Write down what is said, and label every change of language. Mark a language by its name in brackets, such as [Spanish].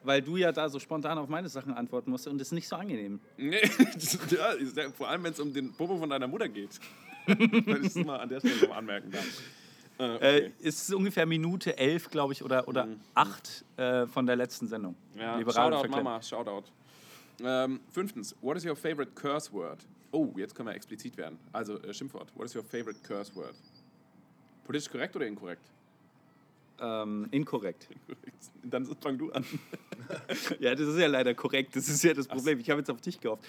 [German] Weil du ja da so spontan auf meine Sachen antworten musst und das ist nicht so angenehm. Nee, ja, vor allem, wenn es um den Popo von deiner Mutter geht. Wenn ich es mal an der Stelle noch anmerken darf. Okay. Es ist ungefähr Minute 11, glaube ich, oder 8 von der letzten Sendung. Ja, Shoutout, Mama, Shoutout. [English] Fünftens, what is your favorite curse word? [German] Oh, jetzt können wir explizit werden. Also Schimpfwort, [English] what is your favorite curse word? [German] Politisch korrekt oder inkorrekt? Inkorrekt. Dann fang du an. Ja, das ist ja leider korrekt, das ist ja das Problem. Ich habe jetzt auf dich gehofft.